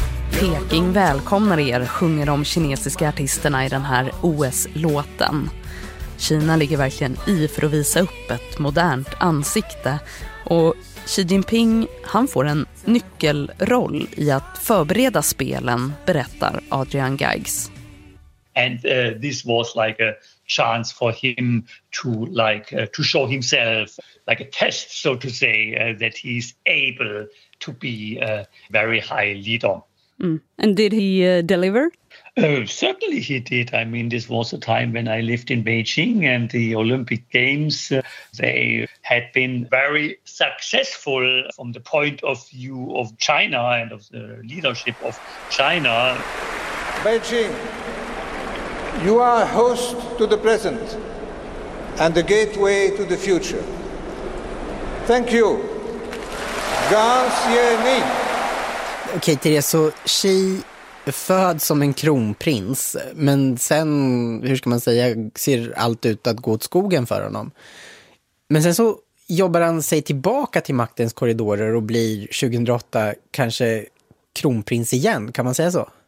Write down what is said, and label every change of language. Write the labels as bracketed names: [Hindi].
[Swedish] Peking välkomnar er, sjunger de kinesiska artisterna i den här OS-låten. Kina ligger verkligen i för att visa upp ett modernt ansikte. Och Xi Jinping, han får en nyckelroll i att förbereda spelen, berättar Adrian Geigs. [English] And this was like a chance for him to like to show himself, like a test, so to say, that he's able to be a very high leader. Mm. And did he deliver? Certainly he did. I mean, this was a time when I lived in Beijing and the Olympic Games, they had been very successful from the point of view of China and of the leadership of China. Beijing, you are a host to the present and the gateway to the future. Thank you. Ganxianmi. [Swedish] Okej, Therese, så Xi föds som en kronprins, men sen, hur ska man säga, ser allt ut att gå åt skogen för honom. Men sen så jobbar han sig tillbaka till maktens korridorer och blir 2008 kanske kronprins igen, kan man säga så?